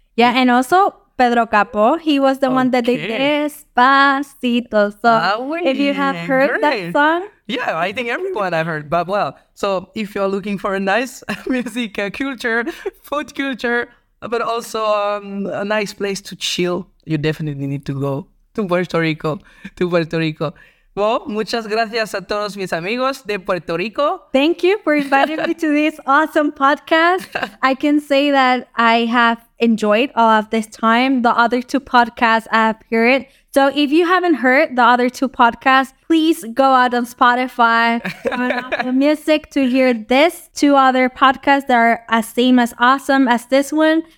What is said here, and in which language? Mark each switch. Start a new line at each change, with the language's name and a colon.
English: Yeah, and also Pedro Capó, he was the one that did Despacito. So if you have heard that song. Yeah, I think everyone I've heard. But well, so if you're looking for a nice music culture, food culture, but also a nice place to chill, you definitely need to go to Puerto Rico.
Spanish: Well, muchas gracias a todos mis amigos de Puerto Rico.
English: Thank you for inviting me to this awesome podcast. I can say that I have enjoyed all of this time, the other two podcasts I have heard. So if you haven't heard the other two podcasts, please go out on Spotify, on Apple Music to hear this two other podcasts that are as same as awesome as this one.